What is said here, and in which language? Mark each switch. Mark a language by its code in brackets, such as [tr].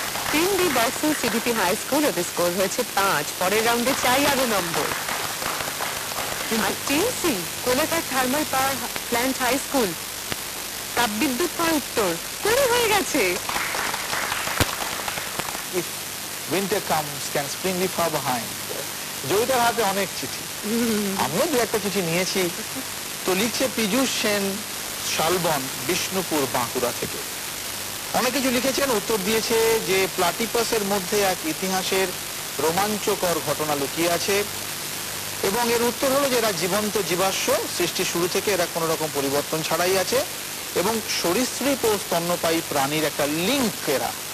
[bn] Team B boxing CDP high school, ওদের score হয়েছে 5, পরের রাউন্ডে চাই আরো নম্বর। আর team C Kolaghat thermal power plant high school, তাপ বিদ্যুৎ পাওয়া উত্তর, কুড়ি হয়ে গেছে। [en] Winter comes, can spring be far behind? [bn] জয়িতার হাতে অনেক চিঠি, আমিও দু একটা চিঠি নিয়েছি তো। লিখছে পীযূষ সেন শালবন বিষ্ণুপুর বাঁকুড়া থেকে, অনেক কিছু লিখেছেন, উত্তর দিয়েছে যে প্লাটিপাসের মধ্যে এক ইতিহাসের রোমাঞ্চকর ঘটনা লুকিয়ে আছে, এবং এর উত্তর হলো যে এরা জীবন্ত জীবাশ্ম, সৃষ্টির শুরু থেকে এরা কোনো রকম পরিবর্তন ছাড়াই আছে, এবং সরীসৃপ ও স্তন্যপায়ী প্রাণীর একটা লিঙ্ক এরা।